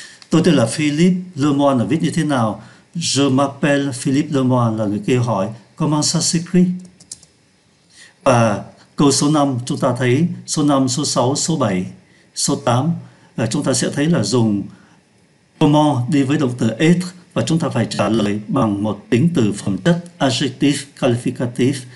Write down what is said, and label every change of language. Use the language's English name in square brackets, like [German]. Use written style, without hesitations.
[Vietnamese] Tôi tên là Philippe Lemoine là viết như thế nào? [French] Je m'appelle Philippe Lemoine [Vietnamese] là người kia hỏi [French] comment ça s'écrit? [Vietnamese] Và câu số 5 chúng ta thấy số 5, số 6, số 7, số 8 là chúng ta sẽ thấy là dùng comment đi với động từ être và chúng ta phải trả lời bằng một tính từ phẩm chất adjective qualificative.